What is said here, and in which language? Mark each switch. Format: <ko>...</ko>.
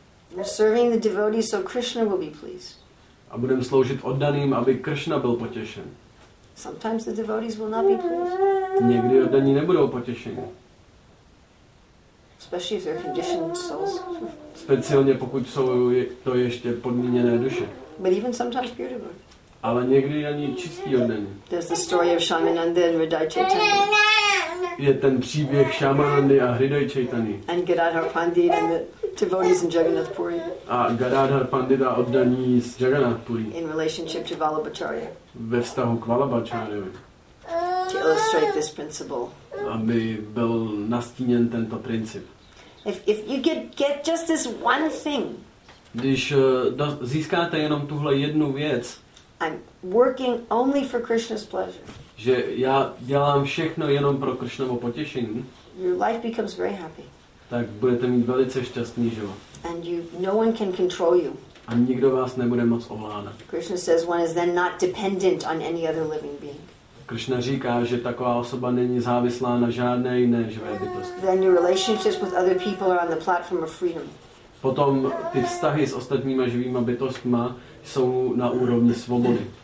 <en>We're serving the devotee, so Krishna will be pleased.</en> <cs>A budeme sloužit oddaným, aby Kršna byl potěšen.</cs> <en>Sometimes the devotees will not be pleased.</en> <cs>Někdy oddaní nebudou potěšeni.</cs> <en>Especially if they're conditioned souls.</en> <cs>Speciálně pokud jsou to ještě podmíněné duše.</cs> <en>But even sometimes pure devotees.</en> <cs>Ale někdy ani čistí oddaní.</cs> <en>There's the story of Shyamananda and Hriday Chaitanya.</en> <cs>Je ten příběh Shyamanandy a Hriday Chaitany.</cs> <en>And Gadadhar Pandit and the devotees in Jagannath Puri.</en> <cs>A Gadadhar Pandit a oddaní z Jagannath Puri.</cs> <en>In relationship to Vallabhacharya.</en> <cs>Ve vztahu k Vallabhacharyovi.</cs> <en>To illustrate this principle.</en> <cs>Aby byl nastíněn tento princip.</cs> <en>If you could get just this one thing.</en> <cs>Když získáte jenom tuhle jednu věc.</cs> <en>I'm working only for Krishna's pleasure.</en> <cs>Že já dělám všechno jenom pro Krishnovo potěšení.</cs> <en>Your life becomes very happy.</en> <cs>Tak budete mít velice šťastný život.</cs> <en>And you, no one can control you.</en> <cs>A nikdo vás nebude moc ovládat.</cs> <en>Krishna says one is then not dependent on any other living being.</en> <cs>Krishna říká, že taková osoba není závislá na žádné jiné živé bytosti.</cs> <en>Then your relationships with other people are on the platform of freedom.</en> <cs>Potom ty vztahy s ostatními živými bytostmi jsou na úrovni svobody.</cs>